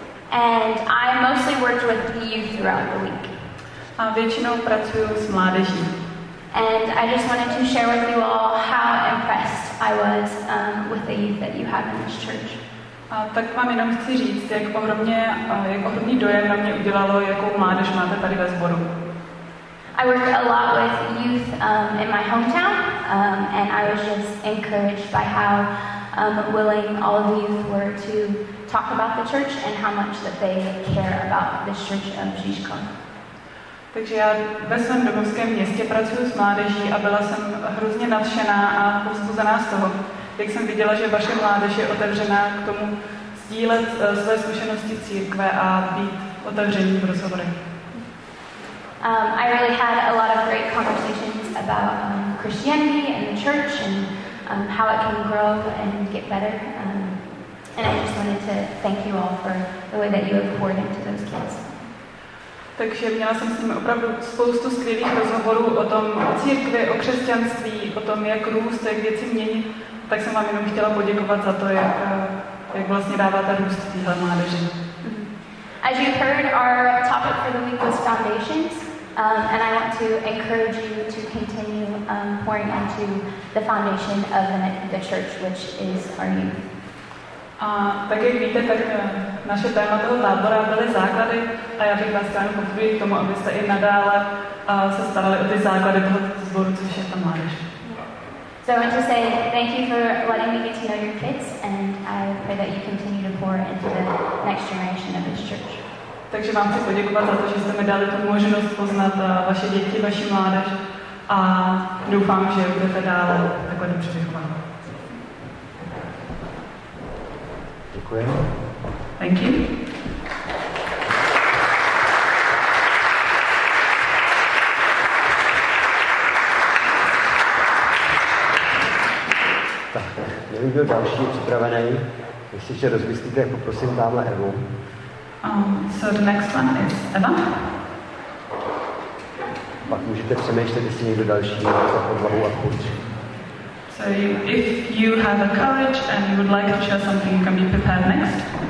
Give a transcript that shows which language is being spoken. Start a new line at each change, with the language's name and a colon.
English: And I mostly worked with youth throughout the week.
Czech: A většinou pracuju s mládeží.
English: And I just wanted to share with you all how impressed I was with the youth that you have in this church.
Czech: A tak vám jenom chci říct, jak ohromný dojem na mě udělalo, jakou mládež máte tady ve sboru.
English: I worked a lot with youth in my hometown, and I was just encouraged by how willing all of the youth were to talk about the church and how much that they care about this church of Žižkov.
Czech: Takže já ve svém domovském městě pracuji s mládeží a byla jsem hrozně nadšená a povzbuzená z toho, jak jsem viděla, že vaše mládež je otevřená k tomu sdílet své zkušenosti církve a být otevření v rozhovorech.
English: I really had a lot of great conversations about Christianity and the church and how it can grow and get better. And I just wanted to thank you all for the way that you have poured into those kids.
Czech: Takže měla jsem s nimi opravdu spoustu skvělých rozhovorů o tom o církvi, o křesťanství, o tom, jak růst, jak věci měnit. Tak jsem vám jenom chtěla poděkovat za to, jak vlastně dáváte růst téhle mládeži.
English: As you heard, our topic for the week was foundations, and I want to encourage you to continue pouring into the foundation of the church, which is our youth.
Czech: A tak jak víte, tak naše téma toho tábora byly základy, a já bych vás chtěla pozvat k tomu, abyste i nadále se starali o ty základy toho sboru, což je ta mládež.
English: So I want to say thank you for letting me get to know your kids, and I pray that you continue to pour into the next generation of this church.
Czech: Takže vám chci poděkovat za to, že jste mi dali tu možnost poznat vaše děti, vaši mládež, a doufám, že budete dále takhle dobře vychovávat. Děkujeme.
English: Thank you.
Czech: Kdyby byl další připravený, jestli se rozmyslíte, poprosím dámhle Evu.
English: So the next one is Eva.
Czech: Pak můžete přemýšlet, jestli někdo další má za podlahu a chuť.
English: So you, if you have the courage and you would like to share something, you can be prepared next.